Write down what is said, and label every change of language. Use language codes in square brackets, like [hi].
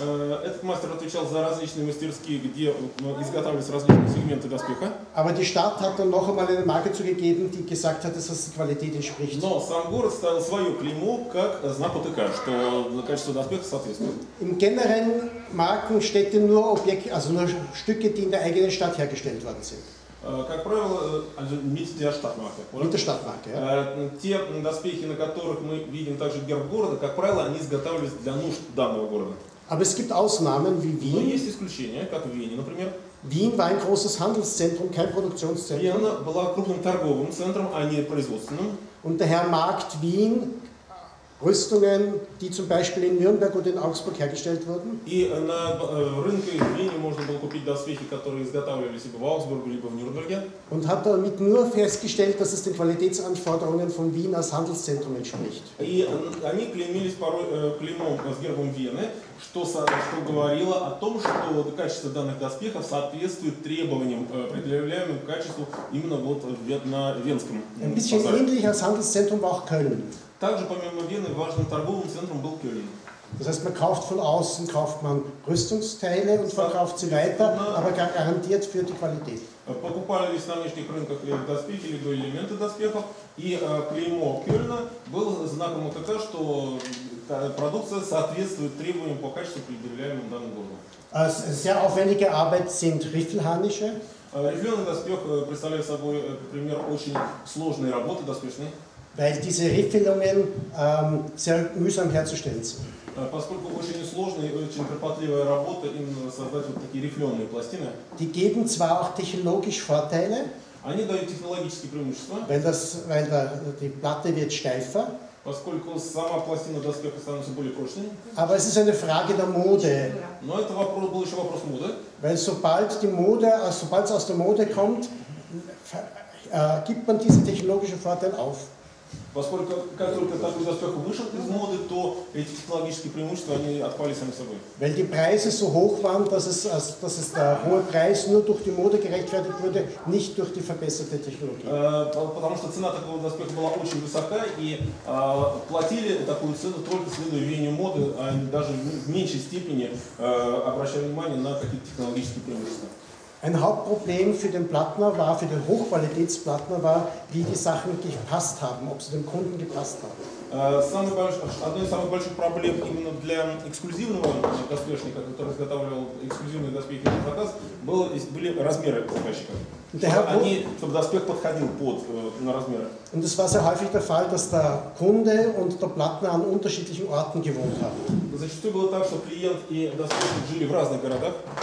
[ru] Этот мастер отвечал за различные мастерские, где изготавливались различные сегменты доспеха. [de] Aber die Stadt hat dann noch einmal eine Marke zugegeben, die gesagt hat, dass die Qualität entspricht. [ru] Но сам город ставил свое клеймо как знак ОТК, что качество доспеха соответствует. [de] Im Generellen Marken Städte nur Objekte, also nur Stücke, die in der eigenen Stadt hergestellt worden sind. [ru] Как правило, [de] also mit der Stadtmarke, oder? Mit der Stadtmarke, ja. [ru] Те доспехи, на которых мы видим также герб города, как правило, они изготавливались для нужд данного города. [de] Aber es gibt Ausnahmen wie Wien. [ru] Но есть исключения, как в Вене, например. [de] Wien war ein großes Handelszentrum, kein Produktionszentrum. [ru] Вена была крупным торговым центром, а не производственным. [de] Und daher Markt Wien Rüstungen, die zum Beispiel in Nürnberg oder in Augsburg hergestellt wurden? [ru] И на рынке в Вене можно было купить доспехи, которые изготавливались либо в Аугсбурге, либо в Нюрнберге. [de] Und hat damit nur festgestellt, dass es den Qualitätsanforderungen von Wien als Handelszentrum entspricht. [ru] И они клеймились клеймом с гербом Вены, что говорило о том, что качество данных доспехов соответствует требованиям, предъявляемым к качеству именно вот на венском. [de] Ein bisschen ähnlich als Handelszentrum war auch Köln. [ru] Также, помимо Вены, важным торговым центром был Кёльн. [de] Das heißt, man kauft von außen, kauft man Rüstungsteile und verkauft sie weiter, aber garantiert für die Qualität. [ru] Покупались на внешних рынках либо доспехи, либо элементы доспехов, и клеймо Кёльна было знаком ОКК, что продукция соответствует требованиям по качеству, предъявляемым данным городом. [de] Sehr aufwendige Arbeit sind Riffelharnische. [ru] Riffelharnische доспехи представляют собой пример очень сложной работы доспешной. [de] Weil diese Riffelungen sehr mühsam herzustellen sind. [ru] Поскольку очень сложная и очень кропотливая работа именно создать вот такие рифленые пластины. [de] Die geben zwar auch technologisch Vorteile. [ru] Они дают технологические преимущества. [de] Weil die Platte wird steifer. [ru] Поскольку сама пластина доспеха становится более прочной. [de] Aber es ist eine Frage der Mode. [ru] Но это вопрос, был еще вопрос моды. [de] Weil sobald die Mode, sobald es aus der Mode kommt, gibt man diese technologischen Vorteile auf. [ru] Поскольку как только такой доспех вышел из моды, то эти технологические преимущества они отпали сами собой. [de] Weil die Preise so hoch waren, dass es der hohe Preis nur durch die Mode gerechtfertigt wurde, nicht durch die verbesserte Technologie. [ru] Потому что цена такого доспеха была очень высока и платили такую цену только следуя веянию моды, а даже в меньшей степени обращали внимание на какие-то технологические преимущества. [de] Ein Hauptproblem für den Plattner war, für den Hochqualitätsplattner war, wie die Sachen gepasst haben, ob sie dem Kunden gepasst haben. [ru] Одно из самых больших проблем именно для эксклюзивного доспешника, который изготавливал эксклюзивные доспехи на заказ, были размеры заказчика. Чтобы доспех подходил под на размеры. [de] Und es war sehr häufig der Fall, dass der Kunde und der Plattner an unterschiedlichen Orten gewohnt haben. [ru] Зачастую было так, что клиент и доспешник жили в разных городах.